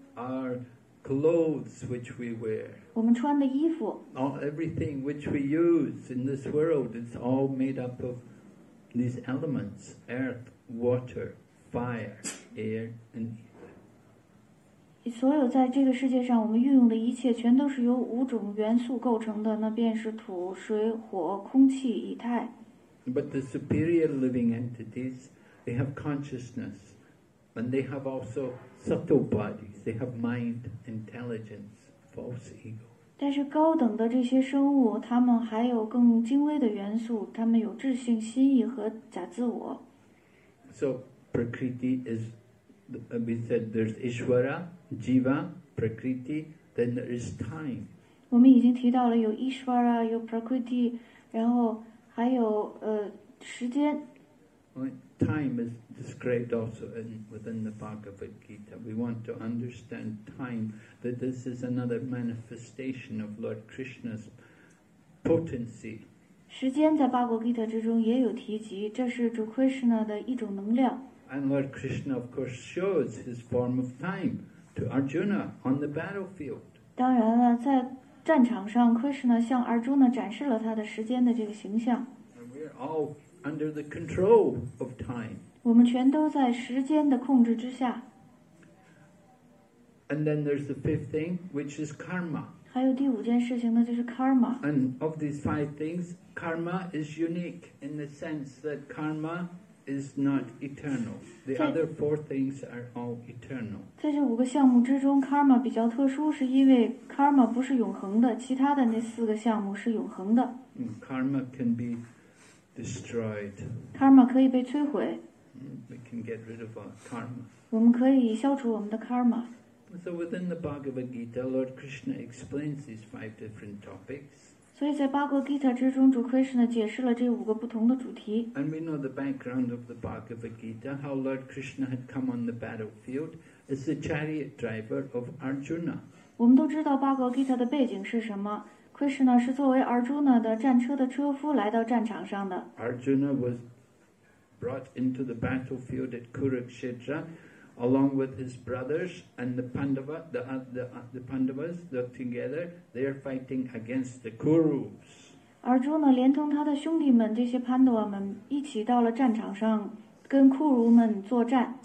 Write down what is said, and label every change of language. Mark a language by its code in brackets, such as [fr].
[en] Our clothes which we wear, [zh] 我们穿的衣服。 [en] All everything which we use in this world is all made up of these elements: earth, water, fire, air, and ether. [zh] 所有在这个世界上我们运用的一切全都是由五种元素构成的，那便是土、水、火、空气、仪态。 [en] But the superior living entities, they have consciousness, and they have also subtle bodies, they have mind, intelligence, false ego. [zh] 但是高等的这些生物，他们还有更精微的元素，他们有智性、心意和假自我。 [en] So Prakriti is, we said there's Ishwara,Jiva, Prakriti, then there is time. [zh] 我们已经提到了有 Ishvara, 有 Prakriti, 然后还有时间。 [en] Time is described also within the Bhagavad Gita. We want to understand time, that this is another manifestation of Lord Krishna's potency. [zh] 时间在 Bhagavad Gita 之中也有提及，这是主 Krishna 的一种能量。 [en] And Lord Krishna, of course, shows his form of time. To Arjuna on the battlefield. [zh] 当然了，在战场上 ，Krishna 向 Arjuna 展示了他的时间的这个形象。 [en] We are all under the control of time. [zh] 我们全都在时间的控制之下。 [en] And then there's the fifth thing, which is karma. [zh] 还有第五件事情呢，就是 karma. [en] And of these five things, karma is unique in the sense that karma. Is not eternal. The other four things are all eternal. [zh] 在这五个项目之中 ，karma 比较特殊，是因为 karma 不是永恒的，其他的那四个项目是永恒的。 [en] Karma can be destroyed. [zh] Karma 可以被摧毁。 [en] We can get rid of our karma. [zh] 我们可以消除我们的 karma. [en] So within the Bhagavad Gita, Lord Krishna explains these five different topics. [zh] 所以在巴格吉塔之中主 Krishna 解释了这五个不同的主题。 [en] And we know the background of the Bhagavad Gita, how Lord Krishna had come on the battlefield as the chariot driver of Arjuna. [zh] 我们都知道巴格吉塔的背景是什么。 Krishna 是作为 Arjuna 的战车的车夫来到战场上的。 [en] Arjuna was brought into the battlefield at Kurukshetra along with his brothers and the Pandava, the Pandavas, they're together, they're fighting against the Kurus. [zh] Arjuna 连同他的兄弟们，这些 Pandava 们一起到了战场上，跟库儒们作战。